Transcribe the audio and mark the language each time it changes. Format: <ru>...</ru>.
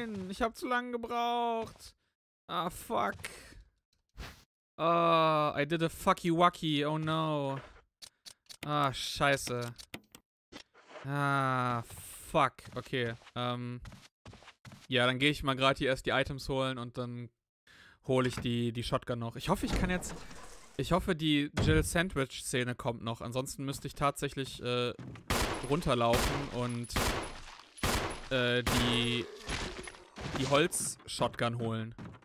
<de>Ich habe zu lange gebraucht.</de> <en>Ah, fuck. Oh, I did a fucky wucky, oh no.</en> <de>Ah, scheiße.</de> <en>Ah, fuck.</en> <de>Okay, ja, dann gehe ich mal gerade hier erst die Items holen und dann hole ich die Shotgun noch. Ich hoffe, die Jill-Sandwich-Szene kommt noch. Ansonsten müsste ich tatsächlich, runterlaufen und, die Holz-Shotgun holen.</de>